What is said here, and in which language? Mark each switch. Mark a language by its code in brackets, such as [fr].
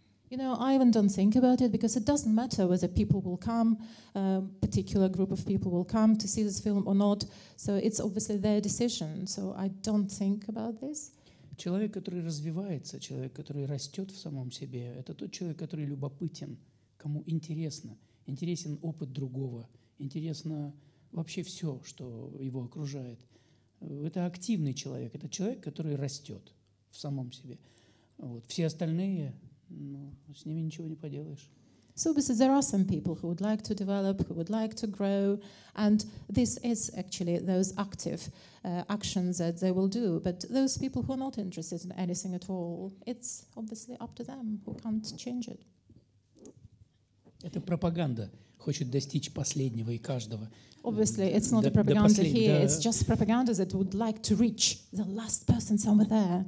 [en] You know, I even don't think about it, because it doesn't matter whether people will come, a particular group of people will come to see this film or not. So it's obviously their decision. So I don't think about this. [ru] Человек, который развивается, человек, который растет в самом себе, это тот человек, который любопытен, кому интересно. Интересен опыт другого, интересно вообще все, что его окружает. Это активный человек, это человек, который растет в самом себе. Вот. Все остальные, ну, с ними ничего не поделаешь. [en] So because there are some people who would like to develop, who would like to grow, and this is actually those active actions that they will do. But those people who are not interested in anything at all, it's obviously up to them, who can't change it. [ru] Это пропаганда хочет достичь последнего и каждого. [en] Obviously, it's not a propaganda here, it's just propaganda that would like to reach the last person somewhere there.